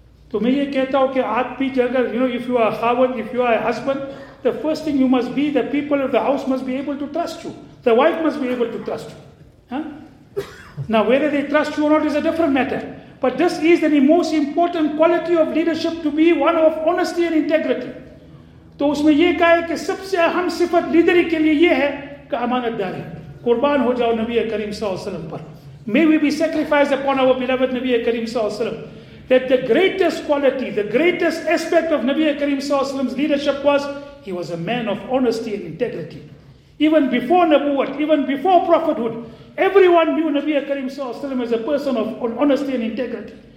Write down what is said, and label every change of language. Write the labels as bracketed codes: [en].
[ur] To main ye kehta hu ki aap bhi agar, [en] you know, if you are a khawan, if you are a husband, the first thing you must be, the people of the house must be able to trust you. The wife must be able to trust you. Now whether they trust you or not is a different matter. But this is the most important quality of leadership, to be one of honesty and integrity. [ur] تو اس میں یہ کہا ہے کہ سب سے اہم صفت لیڈری کے لیے یہ ہے کہ امانت داری. قربان ہو جاؤ نبی کریم صلی اللہ علیہ وسلم پر. [en] May we be sacrificed upon our beloved نبی کریم صلی اللہ علیہ وسلم. That the greatest quality, the greatest aspect of نبی کریم صلی اللہ علیہ وسلم's leadership was, he was a man of honesty and integrity. Even before Nabuwat, even before prophethood, everyone knew نبی کریم صلی اللہ علیہ وسلم as a person of honesty and integrity.